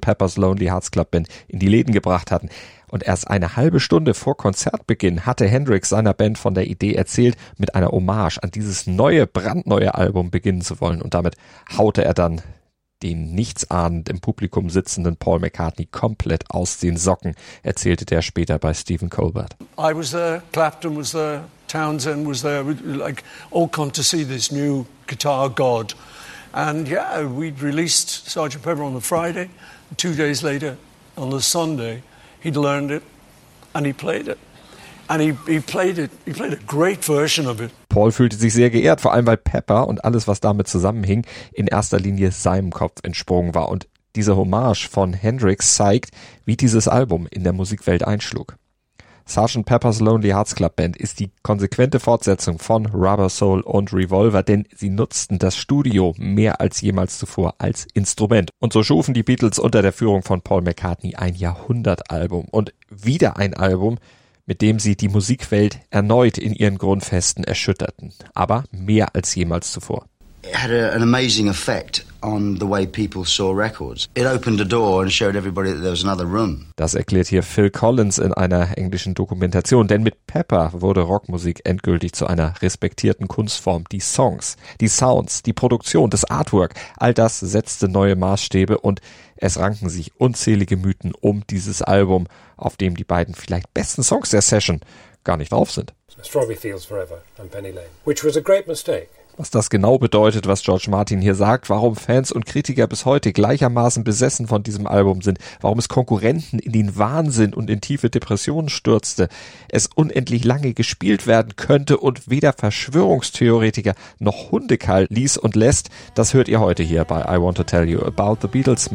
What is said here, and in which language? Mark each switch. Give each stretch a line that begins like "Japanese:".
German: Pepper's Lonely Hearts Club Band in die Läden gebracht hatten. Und erst eine halbe Stunde vor Konzertbeginn hatte Hendrix seiner Band von der Idee erzählt, mit einer Hommage an dieses neue, brandneue Album beginnen zu wollen. Und damit haute er dann den nichtsahnend im Publikum sitzenden Paul McCartney komplett aus den Socken, erzählte der später bei Stephen Colbert.
English: I was there, Clapton was there, Townsend was there, like all come to see this new guitar god. And yeah, we'd released Sgt. Pepper on the Friday, two days later, on the Sunday, he'd learned it and he played it. And he played a great version of it.
German: Paul fühlte sich sehr geehrt, vor allem weil Pepper und alles, was damit zusammenhing, in erster Linie seinem Kopf entsprungen war. Und diese Hommage von Hendrix zeigt, wie dieses Album in der Musikwelt einschlug. Sgt. Pepper's Lonely Hearts Club Band ist die konsequente Fortsetzung von Rubber Soul und Revolver, denn sie nutzten das Studio mehr als jemals zuvor als Instrument. Und so schufen die Beatles unter der Führung von Paul McCartney ein Jahrhundertalbum. Und wieder ein Album, mit dem sie die Musikwelt erneut in ihren Grundfesten erschütterten, aber mehr als jemals zuvor.
English: It had an amazing effect on the way people saw records. It opened a door and showed everybody that there was another room.
German: Das erklärt hier Phil Collins in einer englischen Dokumentation, denn mit Pepper wurde Rockmusik endgültig zu einer respektierten Kunstform. Die Songs, die Sounds, die Produktion, das Artwork, all das setzte neue Maßstäbe und es ranken sich unzählige Mythen um dieses Album, auf dem die beiden vielleicht besten Songs der Session gar nicht drauf sind.
English: Strawberry Fields Forever and Penny Lane, which was a great mistake.
German: Was das genau bedeutet, was George Martin hier sagt, warum Fans und Kritiker bis heute gleichermaßen besessen von diesem Album sind, warum es Konkurrenten in den Wahnsinn und in tiefe Depressionen stürzte, es unendlich lange gespielt werden könnte und weder Verschwörungstheoretiker noch Hundekall ließ und lässt, das hört ihr heute hier bei I Want to Tell You About the Beatles.